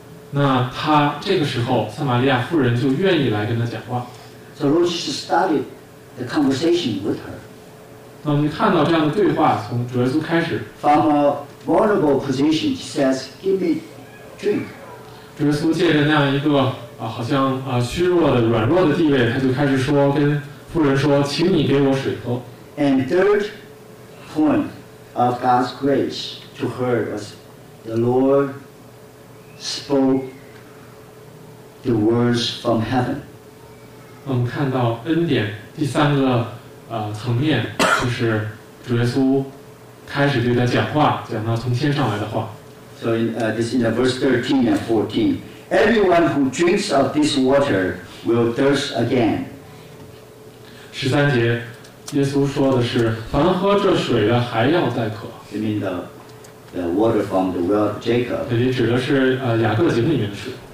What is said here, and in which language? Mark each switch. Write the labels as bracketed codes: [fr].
[zh] 那他这个时候，撒玛利亚妇人就愿意来跟他讲话。 [en] So Rosh started the conversation with her. [zh] 那我们看到这样的对话从主耶稣开始。 [en] From a vulnerable position, she says, "Give me drink." [zh] 主耶稣借着那样一个好像虚弱的软弱的地位，他就开始说跟妇人说，请你给我水喝。 [en] And third point of God's grace to her was the Lord spoke the words from heaven. [zh] 我们看到恩典第三个层面，就是主耶稣开始对他讲话，讲到从天上来的话。 [en] So this is in verse 13 and 14. Everyone who drinks of this water will thirst again. [zh] 十三节，耶稣说的是：“凡喝这水的还要再渴。” [en] You mean the water from the well of Jacob? [zh] 这里指的是雅各井里面的水。